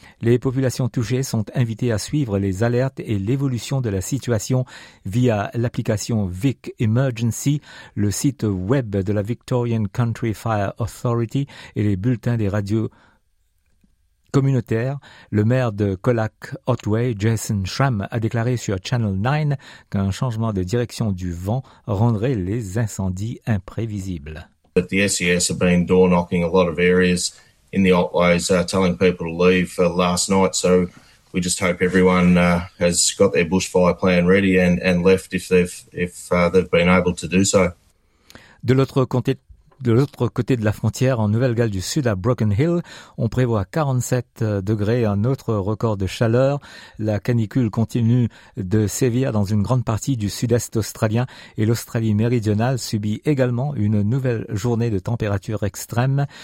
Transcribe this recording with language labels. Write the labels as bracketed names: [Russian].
[French] Les populations touchées sont invitées à suivre les alertes et l'évolution de la situation via l'application Vic Emergency, le site web de la Victorian Country Fire Authority et les bulletins des radios communautaire. Le maire de Colac Otway, Jason Schramm, a déclaré sur Channel 9 qu'un changement de direction du vent rendrait les incendies imprévisibles. [English] But the SES have been door knocking a lot of areas in the Otways, telling people to leave for last night. So we just hope everyone has got their bushfire plan ready and left if they've been able to do so. [French] De l'autre côté de la frontière, en Nouvelle-Galles du Sud, à Broken Hill, on prévoit 47 degrés, un autre record de chaleur. La canicule continue de sévir dans une grande partie du sud-est australien et l'Australie méridionale subit également une nouvelle journée de température extrême.